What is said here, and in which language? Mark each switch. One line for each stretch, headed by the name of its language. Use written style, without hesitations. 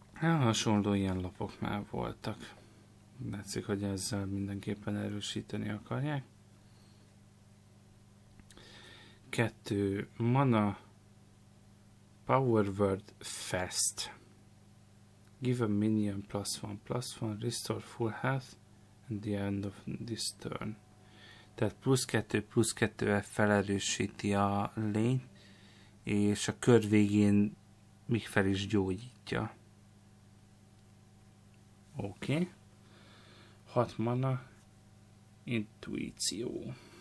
Hungarian: Hasonló ilyen lapok már voltak. Látszik, hogy ezzel mindenképpen erősíteni akarják. Kettő mana Power Word Fast.
English: Give a minion +1/+1, restore full health at the end of this turn.
Hungarian: Tehát +2/+2-vel felerősíti a lényt, és a kör végén még fel is gyógyítja. Oké. Okay. 6 mana, intuíció.